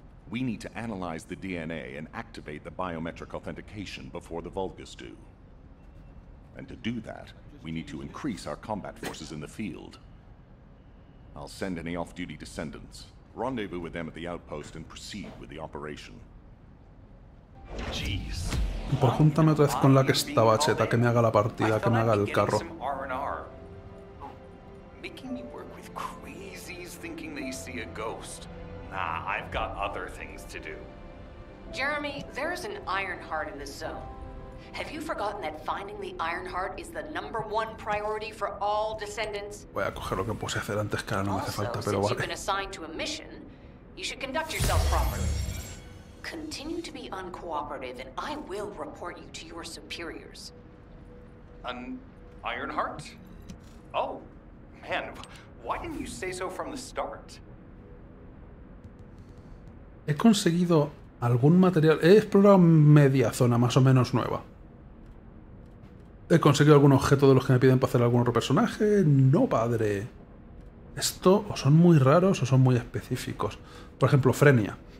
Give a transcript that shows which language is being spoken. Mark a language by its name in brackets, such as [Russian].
[English] We need to analyze the DNA and activate the biometric authentication before the Vulgus do. And to do that, we need to increase our combat forces in the field. I'll send any off-duty descendants, rendezvous with them at the outpost and proceed with the operation. Jeez. [Spanish] Pues júntame otra vez con la que estaba cheta, que me haga la partida, que me haga el carro. [English] Making me work with crazies thinking they see a ghost. Nah, I've got other things to do. Jeremy, there is an Ironheart in the zone. Have you forgotten that finding the Ironheart is the number one priority for all descendants? [Spanish] Voy a coger lo que puse a hacer antes, que ahora no me hace falta, pero [English] since [Spanish] vale. [English] You've been assigned to a mission, you should conduct yourself properly. Continue to be uncooperative and I will report you to your superiors. An Ironheart? Oh. Man, why didn't you say so from the start? [Spanish] He conseguido algún material. He explorado media zona, más o menos nueva. He conseguido algún objeto de los que me piden para hacer algún otro personaje. No, padre. Esto o son muy raros o son muy específicos. Por ejemplo, Frenia.